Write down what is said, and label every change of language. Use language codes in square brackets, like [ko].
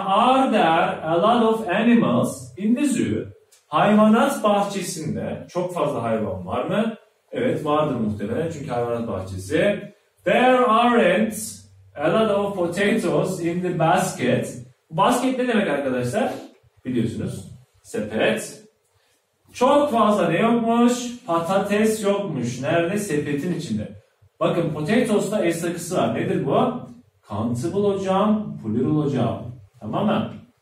[en] Are there a lot of animals in the zoo? [tr] Hayvanat bahçesinde çok fazla hayvan var mı? Evet vardır muhtemelen çünkü hayvanat bahçesi. [en] There aren't a lot of potatoes in the basket. [tr] Basket ne demek arkadaşlar? Biliyorsunuz. Sepet. Çok fazla ne yokmuş? Patates yokmuş. Nerede? Sepetin içinde. Bakın potatoes'ta es takısı var. Nedir bu? Countable hocam, plural hocam. Tamam mı?